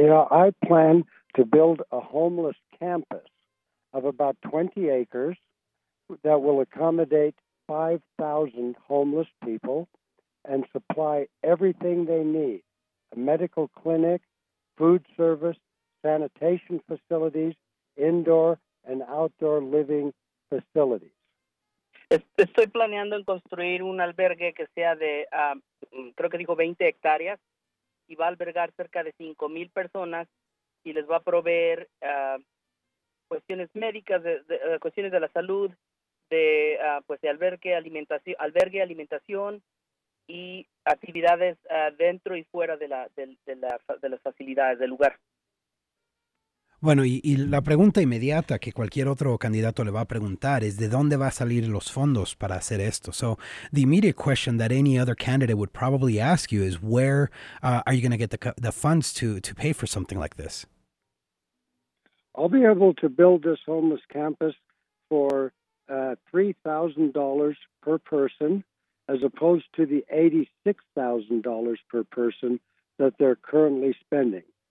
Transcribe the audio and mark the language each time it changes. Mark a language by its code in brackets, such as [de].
[en] You know, I plan to build a homeless campus of about 20 acres that will accommodate 5,000 homeless people and supply everything they need, a medical clinic, food service, sanitation facilities, indoor and outdoor living facilities. [es] Estoy planeando en construir un albergue que sea de, creo que dijo 20 hectáreas, y va a albergar cerca de 5,000 personas y les va a proveer cuestiones médicas, de cuestiones de la salud, de albergue, alimentación y actividades dentro y fuera de las facilidades del lugar. Bueno, y la pregunta inmediata que cualquier otro candidato le va a preguntar es ¿de dónde va a salir los fondos para hacer esto? [en] So the immediate question that any other candidate would probably ask you is where are you going to get the funds to pay for something like this? I'll be able to build this homeless campus for $3,000 per person, as opposed to the $86,000 per person that they're currently spending.